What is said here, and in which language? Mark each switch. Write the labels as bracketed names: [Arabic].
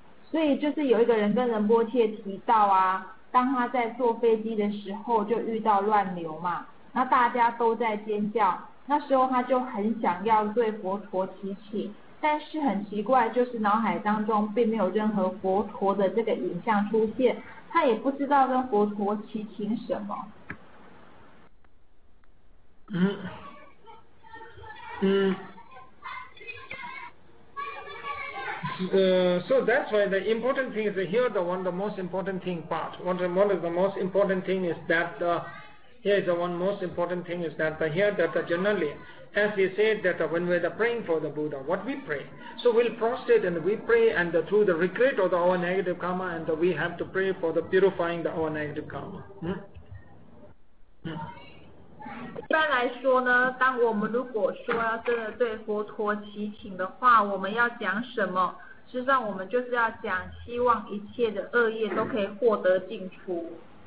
[Chinese] 所以就是有一个人跟仁波切提到啊，当他在坐飞机的时候就遇到乱流嘛，那大家都在尖叫，那时候他就很想要对佛陀提起，但是很奇怪，就是脑海当中并没有任何佛陀的这个影像出现，他也不知道跟佛陀祈请什么。 [English] 嗯嗯，so that's why the important thing is here, generally, as he said that when we are praying for the Buddha, what we pray, so we'll prostrate and we pray, and through the regret of our negative karma, and we have to pray for the purifying our negative karma. Hmm? Hmm. [Chinese] 一般来说呢，当我们如果说要真的对佛陀祈请的话，我们要讲什么？实际上我们就是要讲希望一切的恶业都可以获得净除。